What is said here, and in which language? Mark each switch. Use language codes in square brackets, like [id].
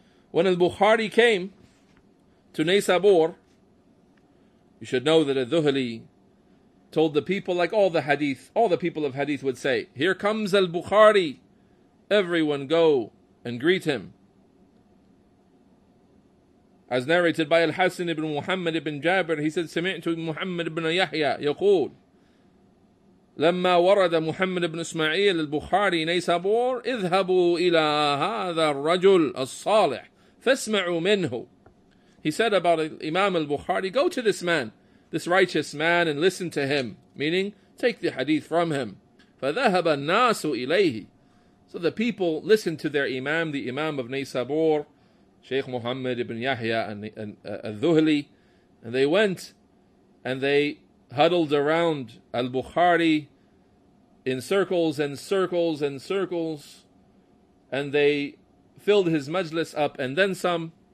[en] When al-Bukhari came to Naysabur, you should know that al-Dhuhli told the people, like all the hadith, all the people of hadith would say, here comes al-Bukhari, everyone go and greet him. As narrated by al-Hasan ibn Muhammad ibn Jabir, he said, [ar] سمعت محمد ibn Yahya يقول لما ورد محمد بن اسماعيل البخاري نيسابور اذهبوا الى هذا الرجل الصالح فاسمعوا منه. [en] He said about Imam al-Bukhaari, go to this man, this righteous man, and listen to him, meaning take the hadith from him. [ar] فذهب الناس اليه. [en] So the people listened to their Imam, the Imam of Naysabur, Shaykh Muhammad ibn Yahya al-Dhuhli, and they went and they huddled around al-Bukhaari in circles and circles and circles, and they filled his majlis up and then some.